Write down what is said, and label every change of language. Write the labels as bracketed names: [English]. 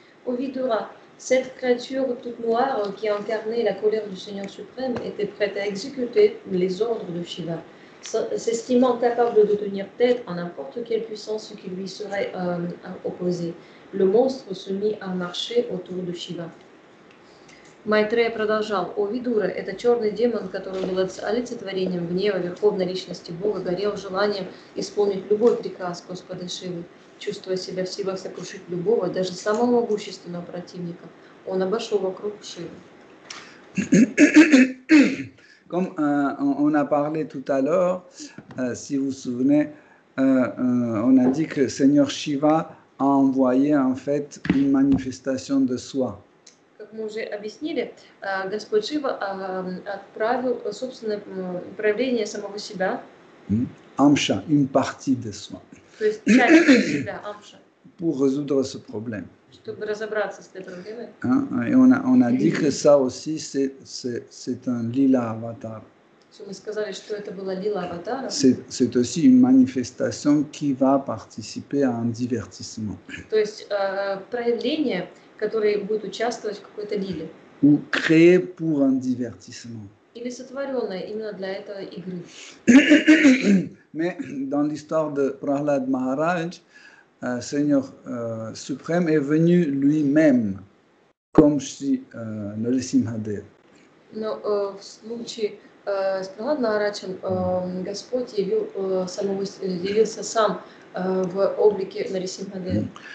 [French] Ô Vidura, cette créature toute noire qui incarnait la colère du Seigneur suprême était prête à exécuter les ordres de Shiva. S'estimant capable de tenir tête à n'importe quelle puissance qui lui serait opposée, le monstre se mit à marcher autour de Shiva. [Russian] Майтрея продолжал: «О, Видура, это черный демон, который был олицетворением гнева Верховной Личности Бога, горел желанием исполнить любой приказ Господа Шивы, чувствуя себя в силах сокрушить любого, даже самого могущественного противника. Он обошел вокруг Шивы». [French] Comme on a parlé tout à l'heure, si vous vous souvenez, on a dit que le Seigneur Shiva a envoyé en fait une manifestation de soi. Comme nous l'avons [Russian] объяснили, Господь Шива отправил собственное проявление самого себя. [French] Амша, une partie de soi. [Russian] То есть часть себя, амша. [French] Pour résoudre ce problème. [Russian] Чтобы разобраться с этой проблемой. [French] Et on a dit que ça aussi c'est un lila avatar. [Russian] Мы сказали, что это была лила аватара. [French] C'est aussi une manifestation qui va participer à un divertissement. [Russian] То есть проявление, которое будет участвовать в какой-то лиле. [French] Ou créé pour un divertissement. [Russian] Или сотворенное именно для этого игры. [French] Mais dans l'histoire de Prahlad Maharaj, Seigneur suprême est venu lui-même comme si Nrisimhadev. [Russian] Но в случае с Прахладом Махараджем Господь явился сам в облике Нрисимхадева.